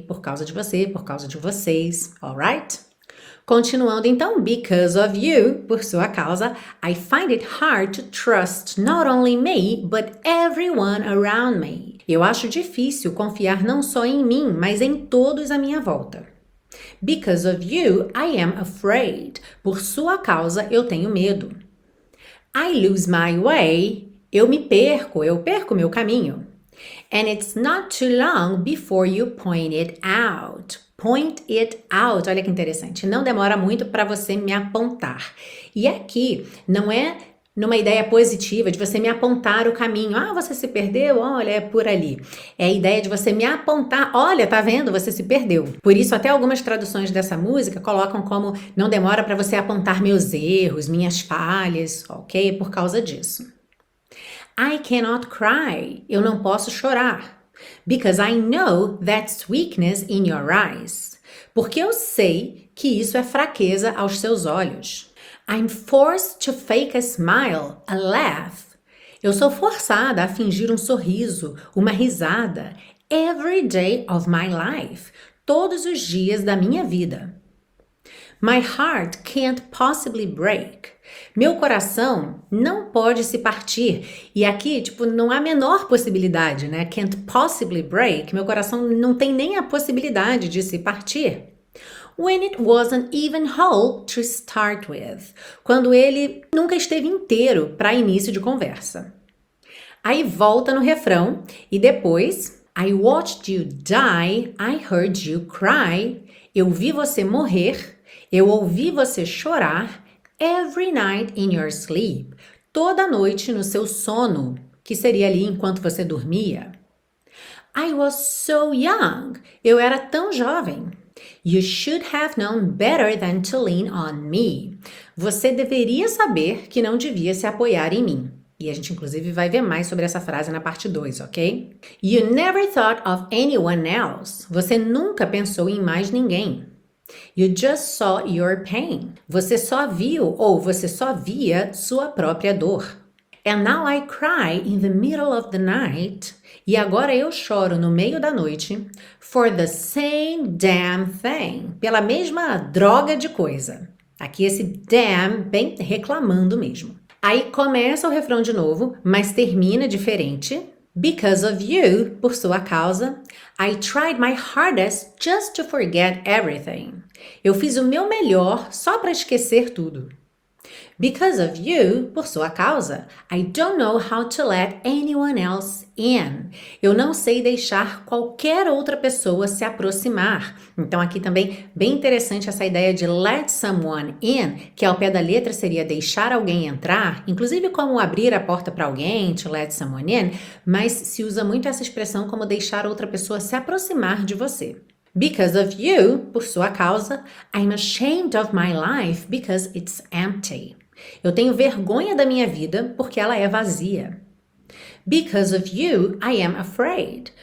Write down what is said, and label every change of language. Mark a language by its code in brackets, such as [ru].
[pt] Por causa de você, por causa de vocês, alright? Continuando então, [en] because of you, [pt] por sua causa, [en] I find it hard to trust not only me, but everyone around me. [pt] Eu acho difícil confiar não só em mim, mas em todos à minha volta. [en] Because of you, I am afraid. [pt] Por sua causa, eu tenho medo. [en] I lose my way. [pt] Eu me perco, eu perco meu caminho. [en] And it's not too long before you point it out. Point it out. [pt] Olha que interessante. Não demora muito para você me apontar. E aqui, não é numa ideia positiva de você me apontar o caminho. Ah, você se perdeu? Olha, é por ali. É a ideia de você me apontar. Olha, tá vendo? Você se perdeu. Por isso, até algumas traduções dessa música colocam como não demora para você apontar meus erros, minhas falhas, ok? Por causa disso. [en] I cannot cry. [pt] Eu não posso chorar. [en] Because I know that's weakness in your eyes. [pt] Porque eu sei que isso é fraqueza aos seus olhos. [en] I'm forced to fake a smile, a laugh. [pt] Eu sou forçada a fingir um sorriso, uma risada, [en] every day of my life, [pt] todos os dias da minha vida. [en] My heart can't possibly break. [pt] Meu coração não pode se partir. E aqui, tipo, não há a menor possibilidade, né? [en] Can't possibly break. [pt] Meu coração não tem nem a possibilidade de se partir. [en] When it wasn't even whole to start with. [pt] Quando ele nunca esteve inteiro para início de conversa. Aí volta no refrão e depois [en] I watched you die, I heard you cry. [pt] Eu vi você morrer, eu ouvi você chorar. [en] Every night in your sleep. [pt] Toda noite no seu sono, que seria ali enquanto você dormia. [en] I was so young. [pt] Eu era tão jovem. [en] You should have known better than to lean on me. [pt] Você deveria saber que não devia se apoiar em mim. E a gente, inclusive, vai ver mais sobre essa frase na parte 2, ok? [en] You never thought of anyone else. [pt] Você nunca pensou em mais ninguém. [en] You just saw your pain. [pt] Você só viu ou você só via sua própria dor. [en] And now I cry in the middle of the night. [pt] E agora eu choro no meio da noite [en] for the same damn thing, [pt] pela mesma droga de coisa. Aqui esse damn bem reclamando mesmo. Aí começa o refrão de novo, mas termina diferente. [en] Because of you, [pt] por sua causa, [en] I tried my hardest just to forget everything. [pt] Eu fiz o meu melhor só para esquecer tudo. [en] Because of you, [pt] por sua causa, [en] I don't know how to let anyone else in. [pt] Eu não sei deixar qualquer outra pessoa se aproximar. Então aqui também, bem interessante essa ideia de [en] let someone in, [pt] que ao pé da letra seria deixar alguém entrar, inclusive como abrir a porta para alguém, [en] to let someone in, [pt] mas se usa muito essa expressão como deixar outra pessoa se aproximar de você. [en] Because of you, [pt] por sua causa, [en] I'm ashamed of my life because it's empty. [pt] Eu tenho vergonha da minha vida porque ela é vazia. [en] Because of you, I am afraid.